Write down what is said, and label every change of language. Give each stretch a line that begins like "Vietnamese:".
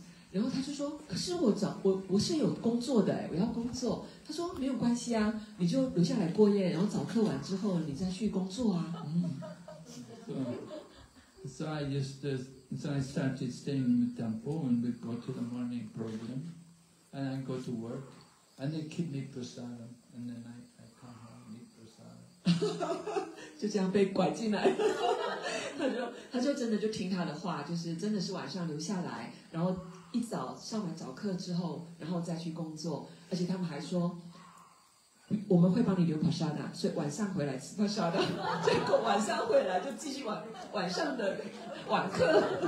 Chinese: 然后他就说，可是我是有工作的，我要工作。他说没有关系啊，你就留下来过夜，然后早课完之后你再去工作啊。
English: So I started staying in the temple and we go to the morning program and I go to work and they keep me prasadam and then I come home and eat prasadam.
Chinese: 就这样被拐进来他就真的就听他的话，就是真的是晚上留下来，然后一早上完早课之后然后再去工作，而且他们还说我们会帮你留帕沙达，所以晚上回来吃帕沙达，结果晚上回来就继续晚上的晚课。